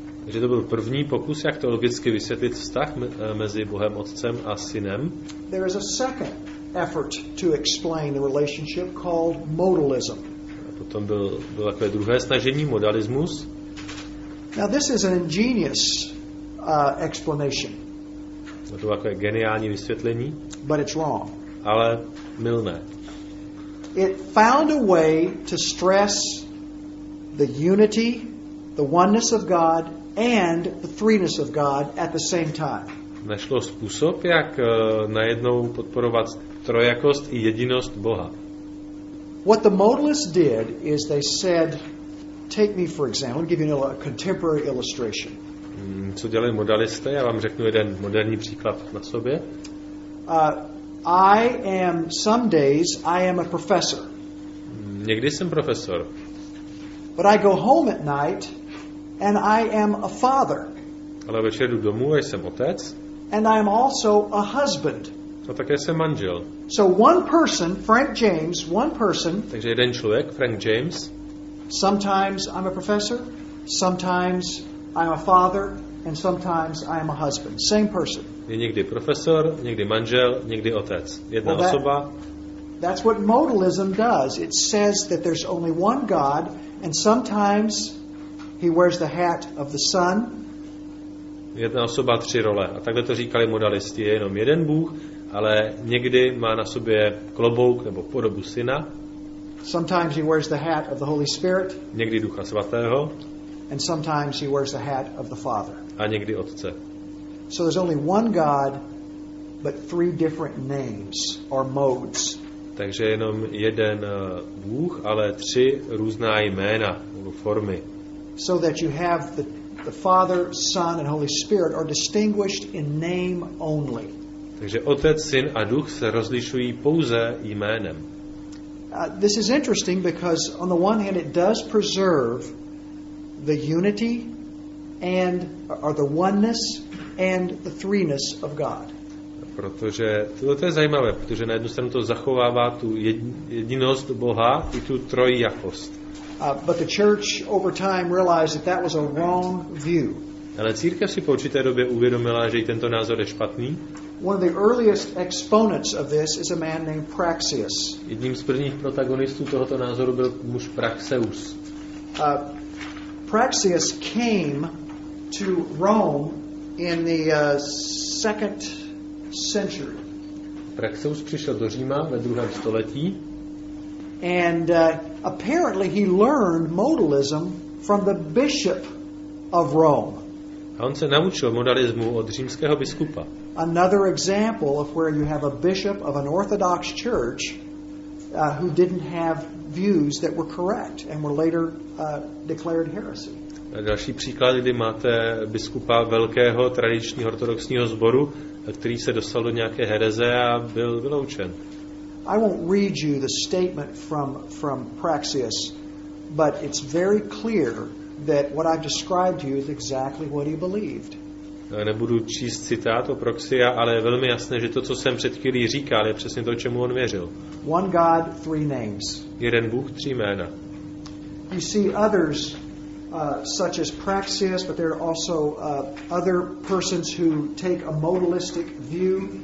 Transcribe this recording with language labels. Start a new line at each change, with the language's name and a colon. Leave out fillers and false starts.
Czech: Takže to byl první pokus, jak to logicky vysvětlit vztah mezi Bohem Otcem a Synem.
English: There is a second effort to explain the relationship called modalism.
Czech: A potom bylo takové druhé snažení, modalismus.
English: Now this is an ingenious explanation.
Czech: To bylo takové geniální vysvětlení.
English: But it's wrong.
Czech: Ale mylné.
English: It found a way to stress the unity, the oneness of God, and the threeness of God at the same time.
Czech: Našlo způsob, jak najednou podporovat trojakost i jedinost Boha.
English: What the modalists did is they said, take me for example, I'll give you a contemporary illustration.
Czech: Co dělali modalisté? Já vám řeknu jeden moderní příklad na sobě.
English: I am some days I am a professor.
Czech: Někdy jsem profesor.
English: But I go home at night and I am a father.
Czech: Ale večer jdu domů a jsem otec.
English: And I am also a husband.
Czech: A také jsem manžel.
English: So one person, Frank James, one person.
Czech: Takže jeden člověk, Frank James.
English: Sometimes I'm a professor, sometimes I'm a father, and sometimes I am a husband. Same person.
Czech: Je někdy profesor, někdy manžel, někdy otec. Jedna osoba.
English: That's what modalism does. It says that there's only one God, and sometimes he wears the hat of the Son.
Czech: Jedna osoba, tři role. A takhle to říkali modalisti. Je jenom jeden Bůh, ale někdy má na sobě klobouk nebo podobu Syna.
English: Sometimes he wears the hat of the Holy Spirit.
Czech: Někdy Ducha Svatého.
English: And sometimes he wears the hat of the Father.
Czech: A někdy Otce.
English: So there's only one God, but three different names or modes.
Czech: Takže jenom jeden Bůh, ale tři různá jména nebo formy.
English: So that you have the Father, Son, and Holy Spirit are distinguished in name only.
Czech: Takže Otec, Syn a Duch se rozlišují pouze jménem.
English: This is interesting because on the one hand it does preserve the unity and or the oneness and the threeness of God.
Czech: Protože to je zajímavé, protože na jednu stranu to zachovává tu jedinost Boha i tu trojjakost.
English: But the church over time realized that that was a wrong view.
Czech: Ale církev si po určité době uvědomila, že i tento názor je špatný.
English: One of the earliest exponents of this is a man named Praxeus.
Czech: Jedním z prvních protagonistů tohoto názoru byl muž Praxeus.
English: Praxeus came to Rome in the second century.
Czech: Praxeus přišel do Říma ve druhém století.
English: And apparently he learned modalism from the bishop of Rome.
Czech: A on se naučil modalismu od římského biskupa.
English: Another example of where you have a bishop of an orthodox church who didn't have views that were correct and were later declared heresy.
Czech: Další příklad, kdy máte biskupa velkého tradičního ortodoxního sboru, který se dostal do nějaké hereze a byl vyloučen.
English: I won't read you the statement from Praxeus, but it's very clear that what I've described to you is exactly what he believed.
Czech: Nebudu číst citát o Praxia, ale je velmi jasné, že to, co jsem před chvílí říkal, je přesně to, čemu on věřil.
English: One God, three names.
Czech: Jeden Bůh, tři jména.
English: You see others such as Praxeus, but there are also other persons who take a modalistic view.